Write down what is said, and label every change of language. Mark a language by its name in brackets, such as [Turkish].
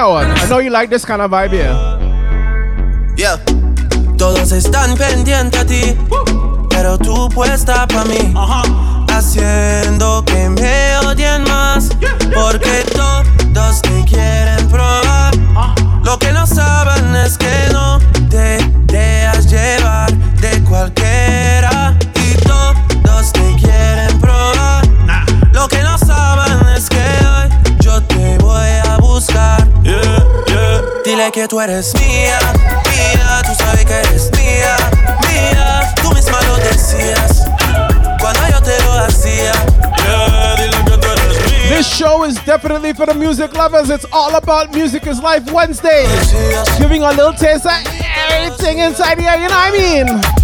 [English] I know you like this kind of vibe here. Yeah. [Spanish] Todos están pendientes a ti, pero tú puesta pa' mí. Haciendo que me odien más, porque todos te quieren probar. Lo que no saben es que no te dejas llevar de cualquiera. Y todos te quieren probar. Lo que no saben es que hoy te voy a buscar, [English] yeah, yeah. [Spanish] Dile que tú eres mía, mía. Tú sabes que eres mía, mía. Tú misma lo decías cuando yo te lo hacía. [English] This show is definitely for the music lovers. It's all about Music is Life Wednesday. Giving a little taste of everything inside here, you know what I mean?